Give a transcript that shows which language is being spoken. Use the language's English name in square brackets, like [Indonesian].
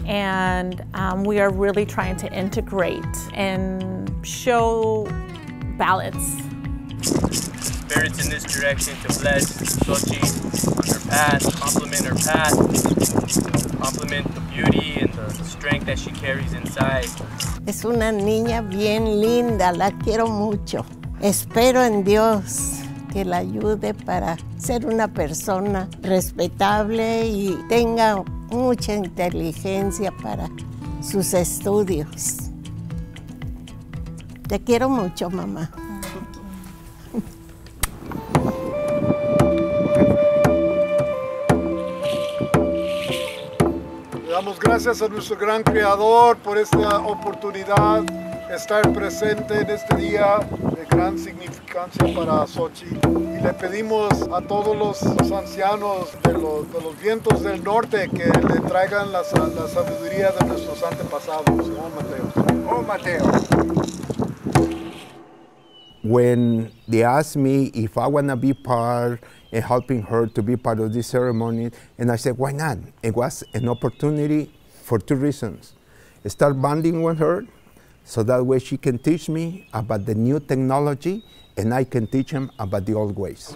[English] And we are really trying to integrate and show balance. Spirits in this direction to bless Xochitl on her path, compliment her path, compliment the beauty and the strength that she carries inside. [Spanish] Es una niña bien linda, la quiero mucho. Espero en Dios que la ayude para ser una persona respetable y tenga mucha inteligencia para sus estudios. Te quiero mucho, mamá. Le damos gracias a nuestro gran creador por esta oportunidad. Estar presente en este día de gran significancia para Xochitl. Y le pedimos a todos los ancianos de los vientos del norte que le traigan la sabiduría de nuestros antepasados. Oh, Mateo. Oh, Mateo. [English] When they asked me if I want to be part in helping her to be part of this ceremony, and I said, why not? It was an opportunity for two reasons. Start bonding with her, so that way she can teach me about the new technology and I can teach him about the old ways.